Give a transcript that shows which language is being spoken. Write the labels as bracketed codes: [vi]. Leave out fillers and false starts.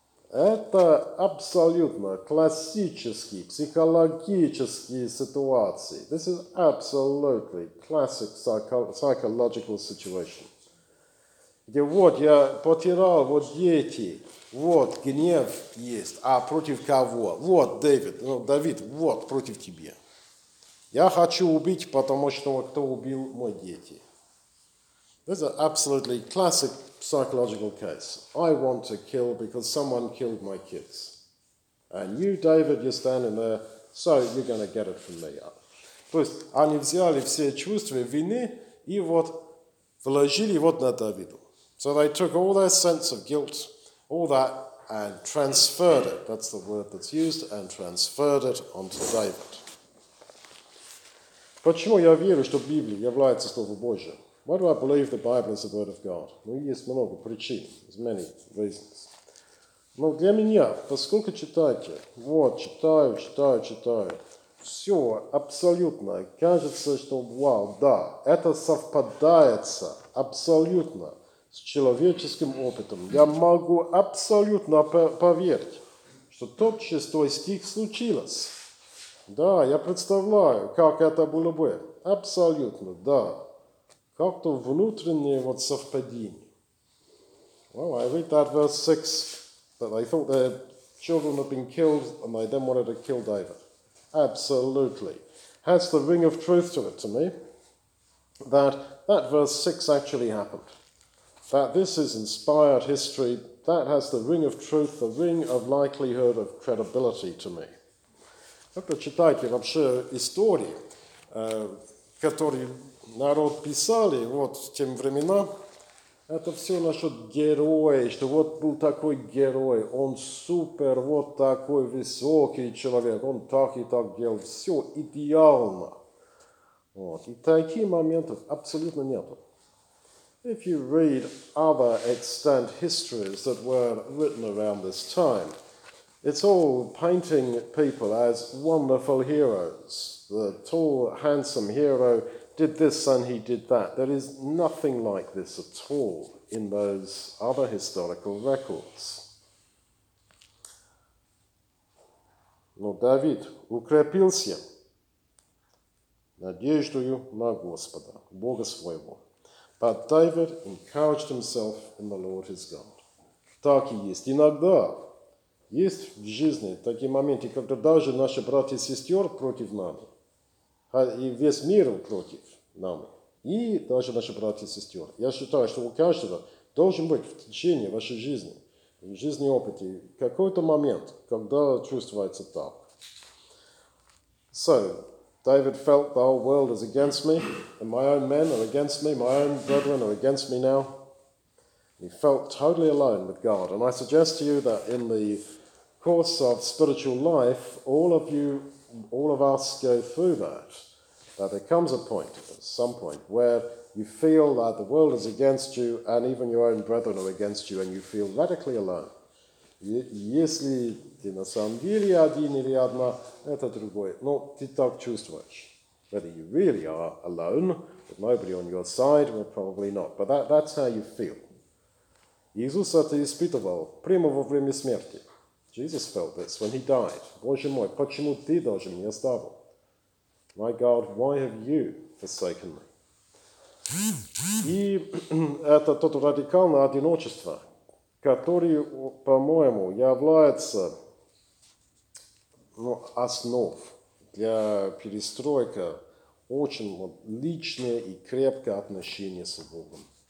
[ru] Это абсолютно классический психологический ситуация. [en] This is absolutely classic psychological situation. [ru] Где вот я потерял вот дети. Вот, гнев есть. А против кого? Вот, Давид. Ну, Давид, вот, против тебя. Я хочу убить, потому что кто убил мои дети. [en] This is an absolutely classic psychological case. I want to kill because someone killed my kids. And you, David, you're standing there, so you're going to get it from me. [ru] То есть, они взяли все чувства вины и вот вложили вот на Давида. [en] So they took all their sense of guilt, all that, and transferred it. That's the word that's used, and transferred it onto David. [ru] Почему я верю, что Библия является Словом Божьим? [en] Why do I believe the Bible is the Word of God? [ru] Ну, есть много причин, [en] there's many reasons. [ru] Но для меня, поскольку читаете, вот, читаю, все абсолютно кажется, что, вау, да, это совпадается абсолютно с человеческим опытом, я могу абсолютно поверить, что тот шестой стих случилось. Да, я представляю, как это было бы. Абсолютно, да. Как-то внутреннее вот совпадение. [en] Well, I read that verse 6, that they thought their children had been killed, and they then wanted to kill David. Absolutely. Has the ring of truth to it to me, that verse 6 actually happened. That this is inspired history, that has the ring of truth, the ring of likelihood, of credibility to me. [ru] Как-то читайте вообще истории, которые народ писали вот в те времена. Это все насчет героя, что вот был такой герой, он супер, вот такой высокий человек, он так и так делал, все идеально. Вот. И таких моментов абсолютно нету. [en] If you read other extant histories that were written around this time, It's all painting people as wonderful heroes. The tall, handsome hero did this and he did that. There is nothing like this at all in those other historical records. [ru] Но Давид укрепился надеждою на Господа, Бога своего. [en] But David encouraged himself in the Lord his God. [ru] Так и есть. Иногда есть в жизни такие моменты, когда даже наши братья и сестры против нами, и весь мир против нами, и даже наши братья и сестры. Я считаю, что у каждого должен быть в течение вашей жизни, в жизни опыте, какой-то момент, когда чувствуется так. [en] So, David felt the whole world is against me, and my own men are against me, my own brethren are against me now. He felt totally alone with God. And I suggest to you that in the course of spiritual life, all of you, all of us go through that. That there comes a point, at some point, where you feel that the world is against you, and even your own brethren are against you, and you feel radically alone. [ru] Если ты на самом деле один или одна, это другое. Но ты так чувствуешь. [en] Whether you really are alone, with nobody on your side, well, probably not. But that's how you feel. [ru] Иисус это испытывал прямо во время смерти. [en] Jesus felt this when he died. [ru] Боже мой, почему ты должен меня оставить? [en] My God, why have you forsaken me? [ru] И это то радикальное одиночество, который, по-моему, является основ для перестройки очень личные и крепкие отношения с Богом.